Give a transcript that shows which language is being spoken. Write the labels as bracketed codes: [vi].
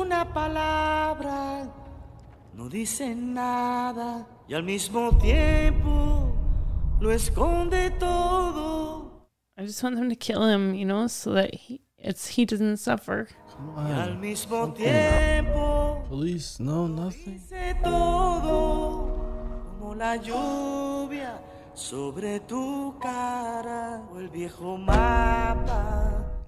[es] Una palabra no dice nada y al mismo tiempo lo esconde todo. [en] I just want them to kill him, you know, so that he doesn't suffer. Come on. [es] Al mismo tiempo. [en] Police, no, nothing. [es] Dice todo como la lluvia sobre tu cara o el viejo mapa.